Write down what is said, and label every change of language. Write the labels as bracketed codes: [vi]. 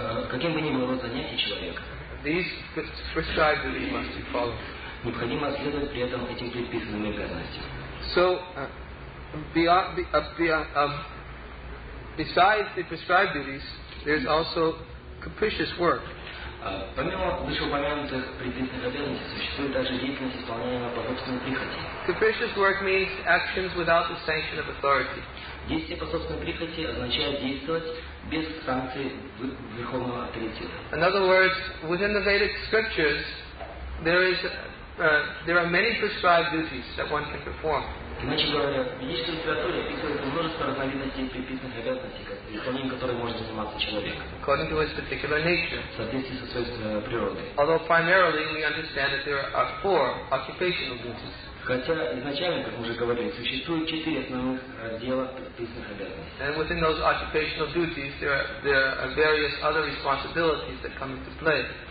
[ru] каким бы ни было занятие человека, [en] these prescribed duties must be followed. [ru] Необходимо следовать при этом этим предписанным обязанностям. [en] So, besides the prescribed duties, there's also capricious work. [ru] Помимо вышеупомянутых предписанных обязанностей, существует даже деятельность, исполняемая по собственной прихоти. [en] Capricious work means actions without the sanction of authority. [ru] Действие по собственной прихоти означает действовать без санкции верховного авторитета. [en] In other words, within the Vedic scriptures, there are many prescribed duties that one can perform. [ru] Иначе говоря, в ведической литературе описывается множество разновидностей предписанных обязанностей, исполнением которых может заниматься человек. [en] According to his particular nature. [ru] В соответствии со свойствами природы. [en] Although primarily we understand that there are four occupational duties. [ru] Хотя изначально, как мы уже говорили, существует четыре основных раздела предписанных обязанностей. [en] And within those occupational duties, there are various other responsibilities that come into play.